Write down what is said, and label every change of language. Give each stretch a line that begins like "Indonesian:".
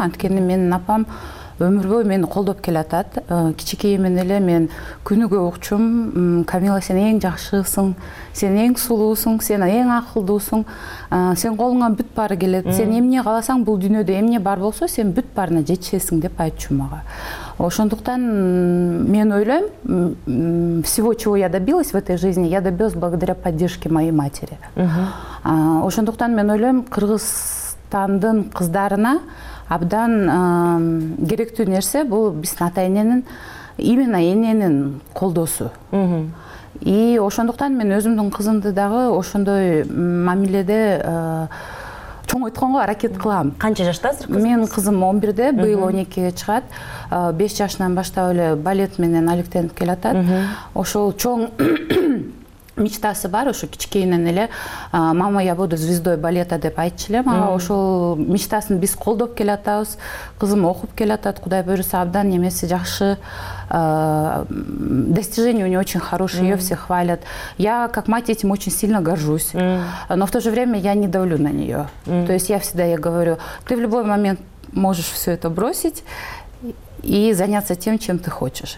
Kyrgyz: Анткени менин апам өмүр бою мени колдоп келатат. Кичинекейимден эле мен күнүгө укчум: Камила, сен эң жакшысың, сен эң сулуусуң, сен эң акылдуусуң, сен колуңа бүт баары келет, сен эмне кааласаң бул дүйнөдө эмне бар болсо сен бүт баарына жетишесиң деп айтчу мага. Ошондуктан мен ойлойм,
Russian: всего чего я добилась в этой жизни, я добилась благодаря поддержке моей матери.
Kyrgyz: Ошондуктан мен ойлойм, Кыргызстандын кыздарына абдан керектүү нерсе бул биздин ата эненин, именно эненин колдоосу. И ошондуктан мен өзүмдүн кызымды дагы ошондой мамиледе чоңойтконго аракет кылам. Канча жашта азыр кыз? Менин кызым 11, быйыл 12 чыгат. 5 жашынан баштап эле балет менен алектенип келатат. Ошол чоң мечтасы бар, ошо кичинекейинен эле
Russian: мама, я буду звездой балета
Kyrgyz: деп айтчу эле мага. Ошол мечтасын биз колдоп келатабыз, кызым окуп келатат, кудай буюрса абдан эмеси жакшы.
Russian: Достижения у нее очень хорошие, ее все хвалят. Я как мать этим очень сильно горжусь, но в то же время я не давлю на нее. То есть я всегда ей говорю: ты в любой момент можешь все это бросить и заняться тем, чем ты хочешь.